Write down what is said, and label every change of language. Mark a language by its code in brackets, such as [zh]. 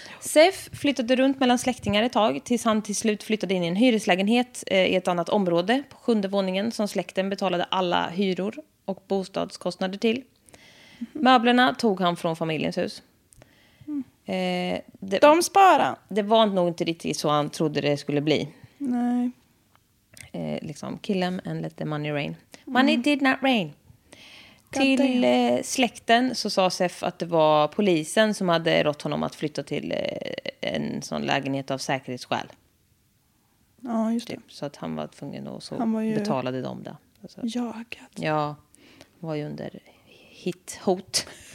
[sv] Sef flyttade runt mellan släktingar ett tag tills han till slut flyttade in i en hyreslägenhet i ett annat område på 7:e våningen som släkten betalade alla hyror och bostadskostnader till. Mm-hmm. Möblerna tog han från familjens hus. De sparar. Det var nog inte riktigt så han trodde det skulle bli. Nej. Liksom [en] kill him and let the money rain. Money did not rain. [sv] Till släkten så sa Sef att det var polisen som hade rått honom att flytta till en sån lägenhet av säkerhetsskäl. Ja, just det. Så att han var tvungen och så betalade de det. Alltså, jagat. Ja, var ju under hit-hot.